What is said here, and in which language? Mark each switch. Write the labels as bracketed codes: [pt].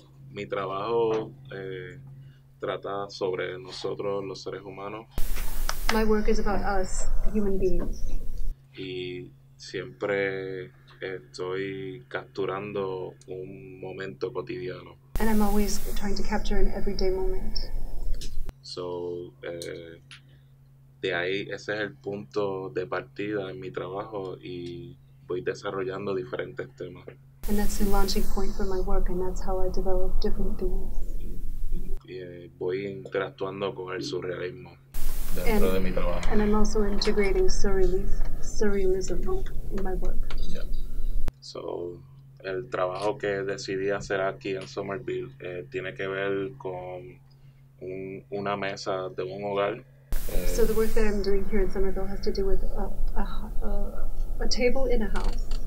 [es] Mi trabajo trata sobre nosotros, los seres humanos. [en] My work is about us, the human beings. [es] Y siempre estoy capturando un momento cotidiano. [en] And I'm always trying to capture an everyday moment. [es] So, de ahí, ese es el punto de partida en mi trabajo y voy desarrollando diferentes temas. [en] And that's the launching point for my work, and that's how I develop different themes. [es] Y voy interactuando con el surrealismo dentro de mi trabajo. [en] And I'm also integrating surrealism in my work. Yeah. [es] So, el trabajo que decidí hacer aquí en Somerville tiene que ver con una mesa de un hogar. [en] So the work that I'm doing here in Somerville has to do with a table in a house.